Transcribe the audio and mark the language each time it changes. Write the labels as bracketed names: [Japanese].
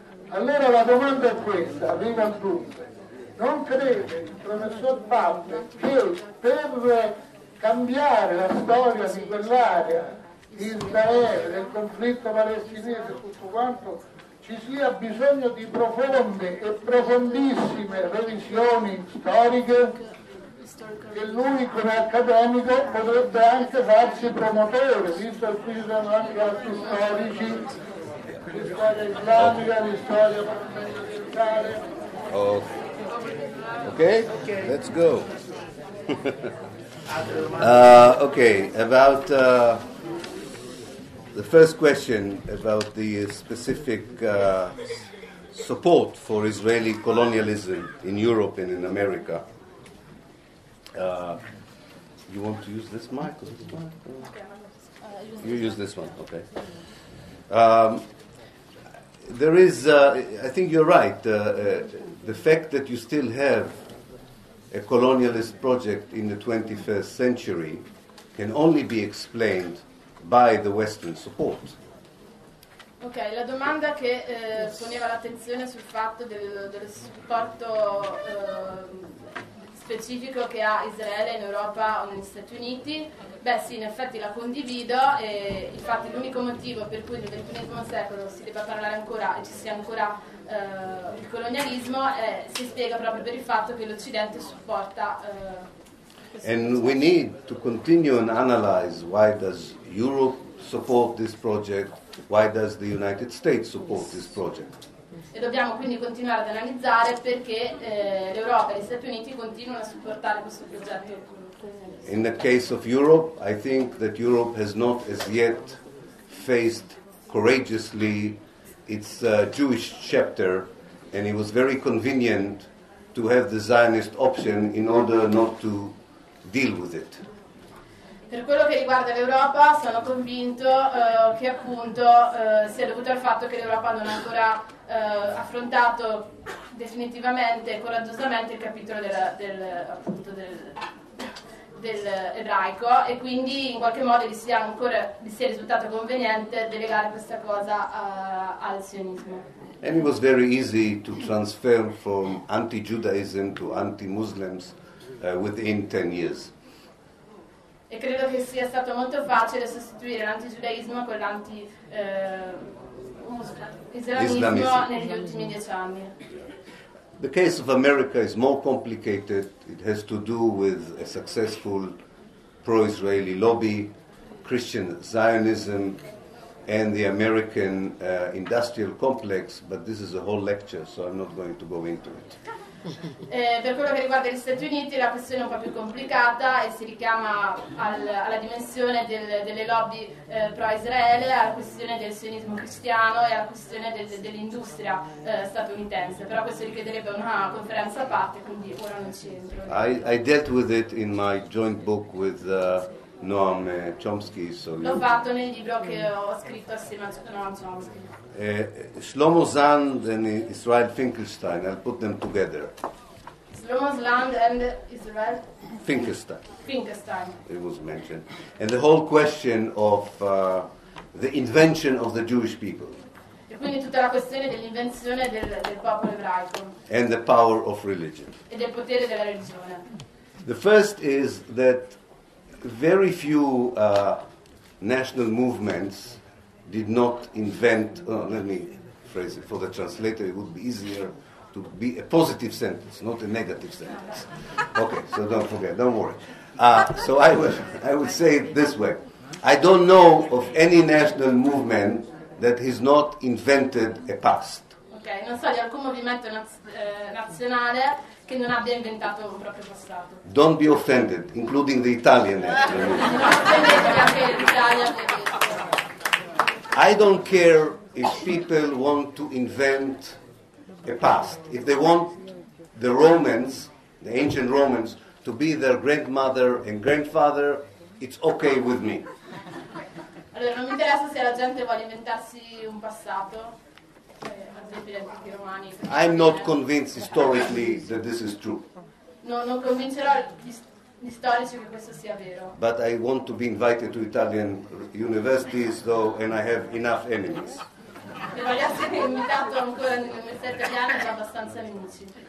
[Italian] Allora la domanda è questa, arriva al punto. Non crede il professor Pappe che per cambiare la storia di quell'area, di Israele, del conflitto palestinese e tutto quanto, ci sia bisogno di profonde e profondissime revisioni storiche? Che lui come accademico potrebbe anche farsi promotore, visto che qui ci sono anche altri storici di storia islamica, di storia militare. [English] Okay? Ok, let's go. okay, about the first question about the specific support for Israeli colonialism in Europe and in America. You want to use this mic? Or this mic? You use this one, okay. There is, I think you're right, the fact that you still have a colonialist project in the 21st century can only be explained by the Western support. [Italian] Ok, la domanda che poneva l'attenzione sul fatto del supporto specifico che ha Israele in Europa o negli Stati Uniti, beh sì, in effetti la condivido, e infatti l'unico motivo per cui nel XXI secolo si debba parlare ancora e ci sia ancora il colonialismo si spiega proprio per il fatto che l'Occidente supporta [English] And we need to continue and analyze why does Europe support this project, why does the United States support this project. [Italian] E dobbiamo quindi continuare ad analizzare perché l'Europa e gli Stati Uniti continuano a supportare questo progetto. [English] In the case of Europe, I think that Europe has not as yet faced courageously its Jewish chapter, and it was very convenient to have the Zionist option in order not to deal with it. [Italian] Per quello che riguarda l'Europa, sono convinto che appunto sia dovuto al fatto che l'Europa non ha ancora affrontato definitivamente e coraggiosamente il capitolo del ebraico, e quindi in qualche modo gli sia risultato conveniente delegare questa cosa al sionismo. [English] And it was very easy to transfer from anti-Judaism to anti-Muslims within 10 years. [Italian] E credo che sia stato molto facile sostituire l'antigiudaismo con l'anti-islamismo negli ultimi 10 anni. [English] The case of America is more complicated. It has to do with a successful pro-Israeli lobby, Christian Zionism, and the American industrial complex, but this is a whole lecture, so I'm not going to go into it. [Italian] Per quello che riguarda gli Stati Uniti, la questione è un po' più complicata e si richiama alla dimensione delle lobby pro-Israele, alla questione del sionismo cristiano e alla questione dell'industria statunitense. Però questo richiederebbe una conferenza a parte, quindi ora non ci entro. [English] I dealt with it in my joint book with Noam Chomsky. So [Italian] l'ho fatto nel libro che ho scritto assieme a Noam Chomsky. [English] Shlomo Zand and Israel Finkelstein, I'll put them together. Shlomo Zand and Israel Finkelstein. It was mentioned. And the whole question of the invention of the Jewish people. [Italian] E quindi tutta la questione dell'invenzione del popolo ebraico. [English] And the power of religion. [Italian] E del potere della religione. [English] The first is that very few national movements did not invent, let me phrase it, for the translator it would be easier to be a positive sentence, not a negative sentence. Okay, so don't forget, don't worry. So I would say it this way. I don't know of any national movement that has not invented a past. [Italian] Okay, non so di alcun movimento nazionale che non abbia inventato un proprio passato. [English] Don't be offended, including the Italian national movement. I don't care if people want to invent a past. If they want the Romans, the ancient Romans, to be their grandmother and grandfather, it's okay with me. [Italian] Allora, non mi interessa se la gente vuole inventarsi un passato, ad esempio gli antichi romani. [English] I'm not convinced historically that this is true. [Italian] Non convincerò gli storici che questo sia vero. [English] But I want to be invited to Italian universities, though, and I have enough enemies. [Italian] Voglio essere invitato ancora nelle università italiane, ho abbastanza nemici.